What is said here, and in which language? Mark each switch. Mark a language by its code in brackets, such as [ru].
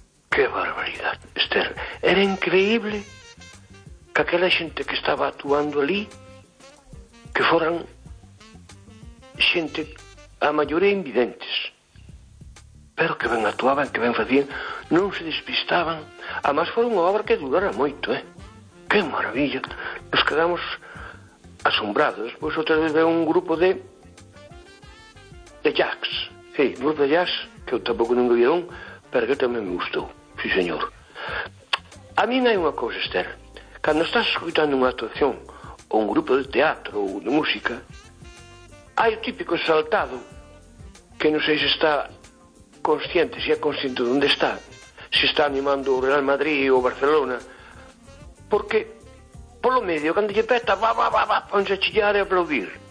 [es] ¡Qué barbaridad, Esther! Era increíble que aquella gente que estaba actuando allí, que fueran gente, [gl] a mayoría invidentes, pero que ben actuaban, que ben facían, non se despistaban. Además, foi unha obra que durara moito, [es] Que maravilla. Nos quedamos asombrados. [gl] Pois outra vez veo un grupo de jazz. Sí, un grupo de jazz, que eu tampouco non vi un, pero que tamén me gustou. Sí, señor. A mí non hai unha cousa, Esther. Cando estás escutando unha actuación, ou un grupo de teatro, ou de música, hai o típico saltado, que non sei se está consciente, si é consciente de onde está, se está animando o Real Madrid ou Barcelona, porque polo medio, cando lle peta, va, ponse a chillar e aplaudir.